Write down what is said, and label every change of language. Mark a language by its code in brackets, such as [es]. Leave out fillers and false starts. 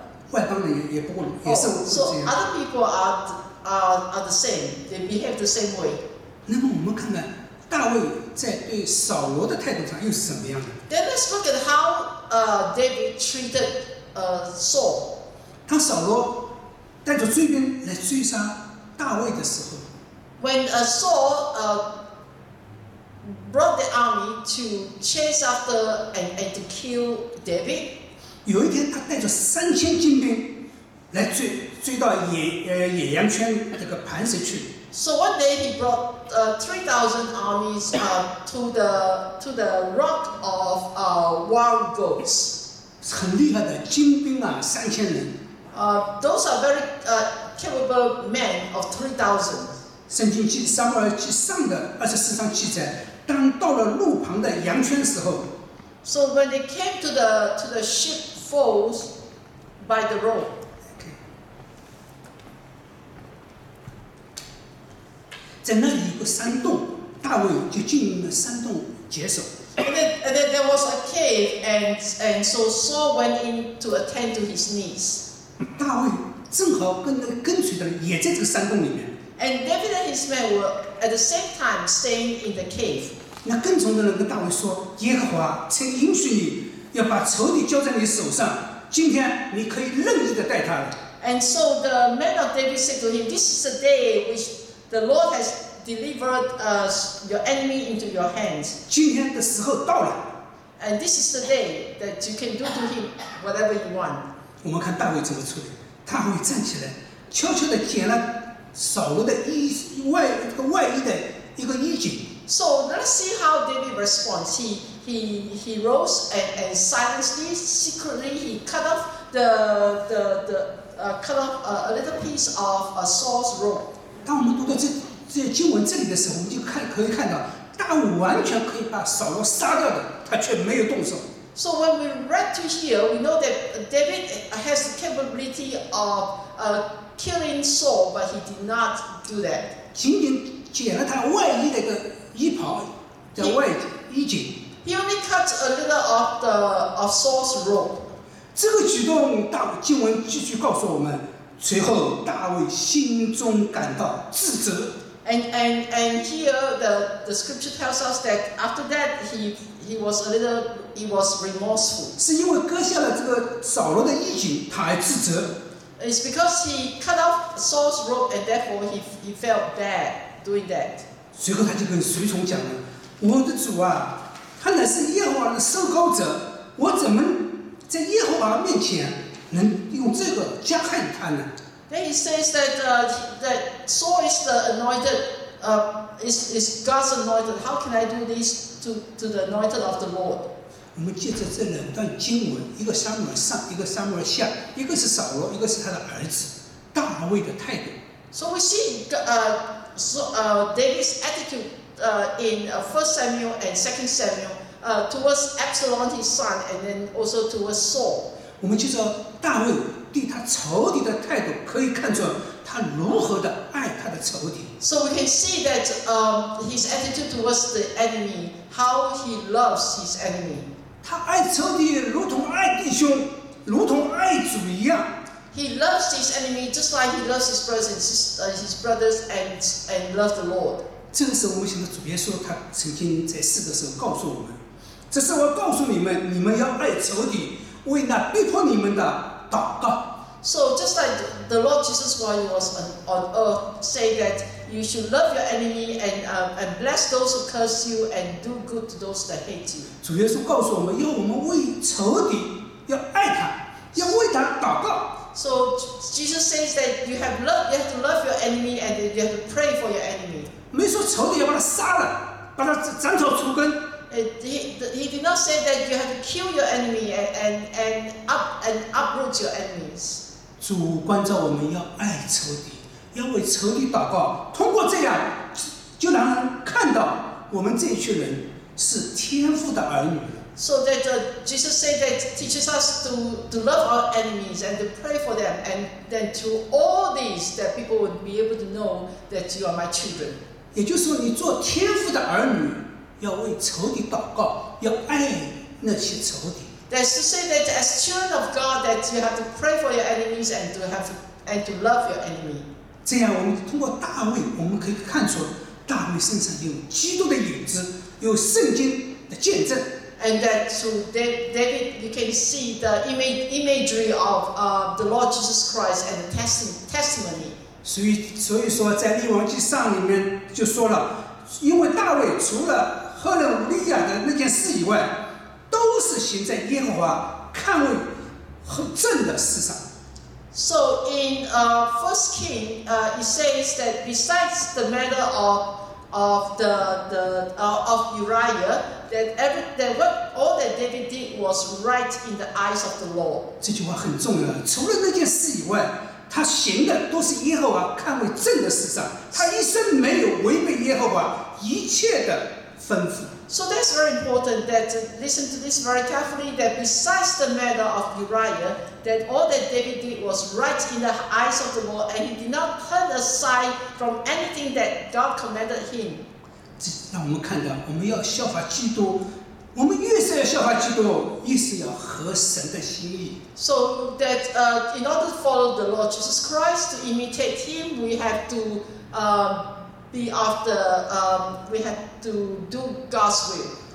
[zh] 外邦人也不过也是这样。 [en] So other people are the same. They behave the same way. [zh] 那么我们看看大卫在对扫罗的态度上又是怎么样的 [en] ？Then let's look at how David treated Saul. [zh] 当扫罗带着追兵来追杀大卫的时候 [en] ，When Saul brought the army to chase after and to kill David. [zh] 有一天，他带着3000精兵来追到野羊圈这个磐石去。 [en] So one day he brought 3,000 armies to the rock of wild goats. [zh] 很厉害的精兵啊，3000人。 [en] Those are very capable men of 3,000. [zh] 圣经记撒母耳记上的24章记载，当到了路旁的羊圈时候。 [en] So when they came to the ship. Falls by the road. Okay. [zh] 在那里有个山洞，大卫就进入了山洞解手。 [en] And then there was a cave, and so Saul went in to attend to his needs. [zh] 大卫正好跟那个跟随的也在这个山洞里面。 [en] And David and his men were at the same time staying in the cave. [zh] 那跟从的人跟大卫说：“耶和华曾应许你。” 要把仇敌交在你手上，今天你可以任意的待他了。 [en] And so the man of David said to him, "This is the day which the Lord has delivered your enemy into your hands." [zh] 今天的时候到了。 [en] And this is the day that you can do to him whatever you want. [zh] 我们看大卫怎么处理。大卫站起来，悄悄地剪了扫罗的外衣的一个衣襟。 [en] So let's see how David responds. He rose and silently, secretly, he cut off a little piece of a Saul's robe. [zh] 当我们读到这经文这里的时候，我们就可以看到，大卫完全可以把扫罗杀掉的，他却没有动手。 [en] So when we read to here, we know that David has the capability of killing Saul, but he did not do that. [zh] 仅仅剪了他外衣的一个衣袍的外衣襟。 [en] He only cut a little of the of Saul's robe. [zh] 这个举动，大卫经文继续告诉我们，随后大卫心中感到自责。 [en] And here the scripture tells us that after that he was remorseful. [zh] 是因为割下了这个扫罗的衣襟，他还自责。 [en] It's because he cut off Saul's robe and therefore he felt bad doing that. [zh] 随后他就跟随从讲了，我的主啊。他乃是耶和华的受膏者，我怎么在耶和华面前能用这个加害他呢 [en] ？Then he says that Saul is the anointed, is God's anointed. How can I do this to the anointed of the Lord？ [zh] 我们借着这两段经文，一个撒母耳上，一个撒母耳下，一个是扫罗，一个是他的儿子大卫的态度。 [en] So we see David's attitude. In 1 Samuel and 2 Samuel, towards Absalom his son, and then also towards Saul. [zh] 我们就说大卫对他仇敌的态度，可以看出他如何的爱他的仇敌。 [en] So we can see that his attitude towards the enemy, how he loves his enemy. [zh] 他爱仇敌如同爱弟兄，如同爱主一样。 [en] He loves his enemy just like he loves his brothers and his brothers and loves the Lord. [zh] 这个时候，我们想到主耶稣，他曾经在世的时候告诉我们：“这是我告诉你们，你们要爱仇敌，为那逼迫你们的祷告。” [en] So just looks like the Lord Jesus while he was on earth say that you should love your enemy and bless those who curse you and do good to those that hate you. [zh] 主耶稣告诉我们，要我们为仇敌要爱他，要为他祷告。 [en] So Jesus says that you have to love your enemy and you have to pray for your enemy. [zh] 没说仇敌要把他杀了，把他斩草除根。 [en] He did not say that you have to kill your enemy and uproot your enemies. [zh] 主观照我们要爱仇敌，要为仇敌祷告。通过这样，就让人看到我们这群人是天父的儿女。 [en] So that Jesus said that teaches us to love our enemies and to pray for them, and then through all these that people would be able to know that you are my children. [zh] 也就是说，你做天父的儿女。要为仇敌祷告，要爱那些仇敌。 [en] That's to say that as children of God, that you have to pray for your enemies and to have and to love your enemy. [zh] 这样，我们通过大卫，我们可以看出大卫身上有基督的影子，有圣经的见证。 [en] And that through David, you can see the imagery of the Lord Jesus Christ and the testimony. [zh] 所以说，在列王记上里面就说了。因为大卫除了喝了乌利亚的那件事以外，都是行在耶和华看为正的事上。 [en] So in First King, it says that besides the matter of Uriah, all that David did was right in the eyes of the Lord. [zh] 这句话很重要。除了那件事以外。他行的都是耶和华看为正的事上，他一生没有违背耶和华一切的吩咐。 [en] So that's very important that listen to this very carefully. That besides the matter of Uriah, that all that David did was right in the eyes of the Lord, and he did not turn aside from anything that God commanded him. [zh] 这让我们看到，我们要效法基督。我们越是要效法基督，越是要合神的心意。 [en] So that in order to follow the Lord Jesus Christ, to imitate Him, we have to be after we have to do God's will.